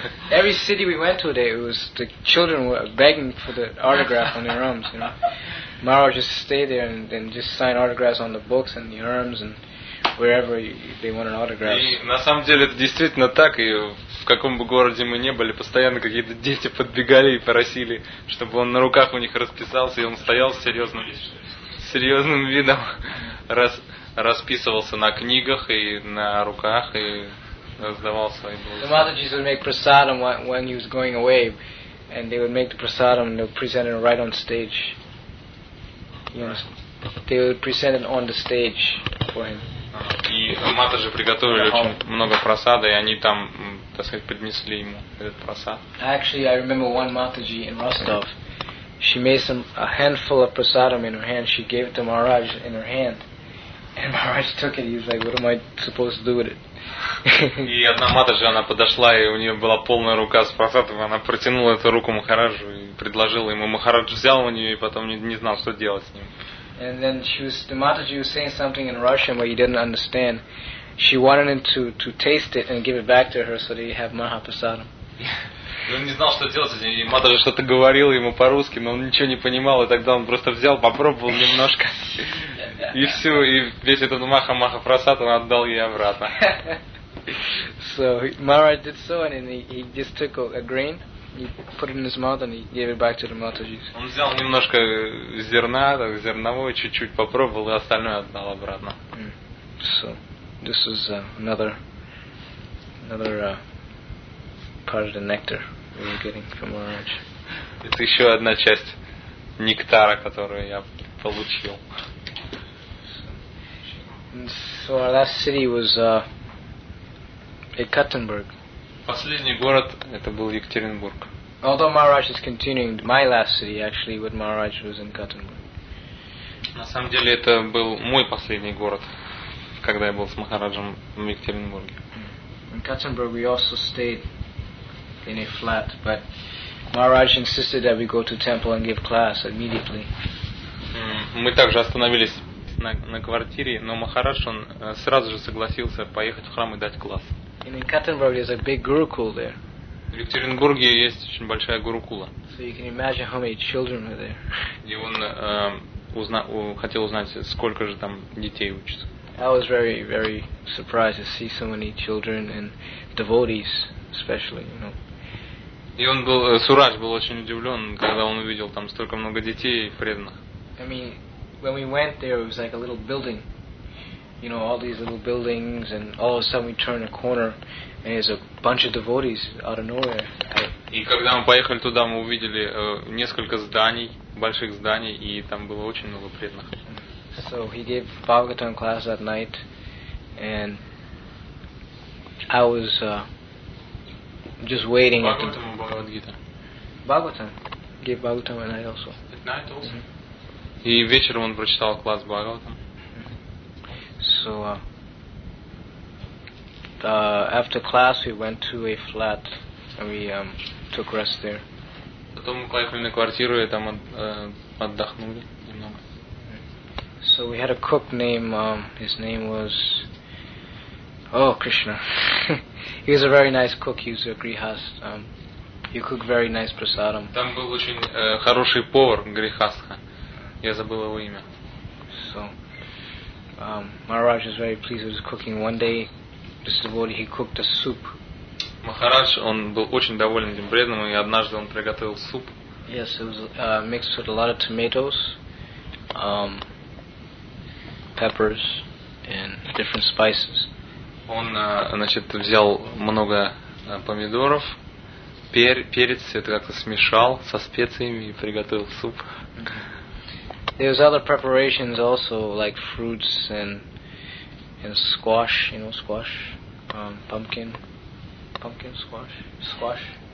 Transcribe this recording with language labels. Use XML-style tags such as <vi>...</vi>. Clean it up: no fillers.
<en>Every city we went to, today, it was the children were begging for the autograph on their arms, you know. Maharaj just stay there and just sign autographs on the books and the arms and wherever they want an autograph.</en> <ru>И на самом деле это действительно так, и в каком бы городе мы ни были, постоянно какие-то дети подбегали и просили, чтобы он на руках у них расписался, и он стоял с серьезным видом, расписывался на книгах и на руках и раздавал свои благословения.</ru> <en>The Mataji would make prasadam when he was going away, and they would make the prasadam and they would present it right on stage. They would present it on the stage for him.</en> <ru>И Мата же приготовили очень много просада, и они там, так сказать, поднесли ему этот просад.</ru> <en>Actually, I remember one Mataji in Rostov. She made a handful of prasadam in her hand. She gave it to Maharaj in her hand, and Maharaj took it. He was like, "What am I supposed to do with it?"</en> <ru>И одна Мата же, она подошла, и у нее была полная рука с просадом, она протянула эту руку Махараджу и предложила ему. Махарадж взял у нее и потом не знал, что делать с ним.</ru> <en>And then the Mataji was saying something in Russian, but he didn't understand. She wanted him to taste it and give it back to her so that he have Mahaprasadam.</en> <ru>Он не знал, что делать с ним. Матаджи что-то говорил ему по-русски, но он ничего не понимал. И тогда он просто взял, попробовал немножко. И все, и весь этот Маха-Маха-Прасад он отдал ей обратно.</ru> <en>So Maharaj did so, and he just took a grain. He put it in his mouth and he gave it back to the Mataji.</en> <ru>Он взял немножко зерна, так, зерновой, чуть-чуть попробовал, и остальное отдал обратно.</ru> <en>So, this is another part of the nectar we were getting from Maharaj.</en> <ru>Это еще одна часть нектара, которую я получил.</ru> <en>So our last city was Ekaterinburg.</en> <ru>Последний город, это был Екатеринбург.</ru> <en>Although Maharaj is continuing, my last city actually with Maharaj was in Ekaterinburg.</en> <ru>На самом деле это был мой последний город, когда я был с Махараджем в Екатеринбурге.</ru> <en>In Ekaterinburg we also stayed in a flat, but Maharaj insisted that we go to temple and give class immediately.</en> <ru>Мы также остановились на квартире, но Махарадж он сразу же согласился поехать в храм и дать класс.</ru> <en>In Ekaterinburg there's a big gurukul there.</en> <ru>В Екатеринбурге есть очень большая гурукула.</ru> <en>So you can imagine how many children are there.</en> <ru>И он хотел узнать, сколько же там детей учатся.</ru> <en>I was very, very surprised to see so many children and devotees, especially, you know.</en> <ru>И он был Сурадж был очень удивлен, когда он увидел там столько много детей и преданных.</ru> <en>I mean, when we went there, it was like a little building, you know, all these little buildings, and all of a sudden we turn a corner. And there's a bunch of devotees out of nowhere.</en> <ru>И когда мы поехали туда, мы увидели несколько зданий, больших зданий, и там было очень много преданных.</ru> <en>So he gave Bhagavatam class that night, and I was just waiting. Bhagavatam or Bhagavad Gita? Bhagavatam. Gave Bhagavatam that night also. At night also.</en> <ru>И вечером он прочитал класс Бхагаватам.</ru> <en>So. After class, we went to a flat and we took rest there.</en> <ru>Потом мы поехали на квартиру и там отдохнули немного.</ru> <en>So we had a cook named his name was Krishna. He was a very nice cook. He was a grihast. He cooked very nice prasadam.</en> <ru>Там был очень хороший повар грихастха. Я забыл его имя.</ru> <en>So Maharaj was very pleased with his cooking. One day. He cooked a soup.</en> <ru>Махарадж, он был очень доволен этим преданным, и однажды он приготовил суп.</ru> <en>Yes, it was mixed with a lot of tomatoes, peppers, and different spices.</en> <ru>Он, значит, взял много помидоров, перец, это как-то смешал со специями и приготовил суп. Mm-hmm.</ru> <en>There was other preparations also, like fruits and squash, you know, squash, pumpkin squash.</en>